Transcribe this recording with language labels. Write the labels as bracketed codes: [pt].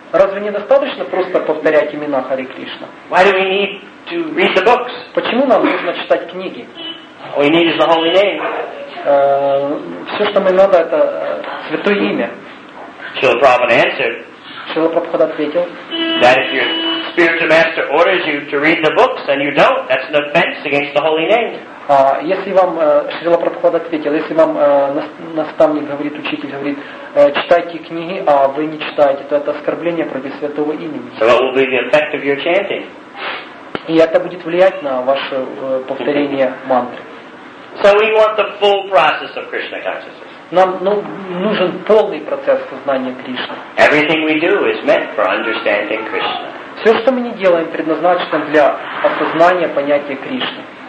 [ru] Разве недостаточно просто повторять имена Харе Кришна? [en] Why do we need to read the books? [ru] Почему нам нужно читать книги? [en] All we need is the holy name. [ru] Все, что мы надо, это святое имя. [en] Srila Prabhupada answered. [ru] Srila Prabhupada ответил. [en] That if your spiritual master orders you to read the books and you don't, that's an offense against the holy name. [ru] Если вам Шрила Прабхупада ответил, если вам наставник говорит, учитель говорит, читайте книги, а вы не читаете, то это оскорбление против святого имени. [en] So what will be the effect of your chanting? [ru] И это будет влиять на ваше повторение мантры. [en] So we want the full process of Krishna consciousness. [ru] Нам нужен полный процесс познания Кришны. [en] Everything we do is meant for understanding Krishna. [ru] Все, что мы не делаем, предназначено для осознания понятия Кришны.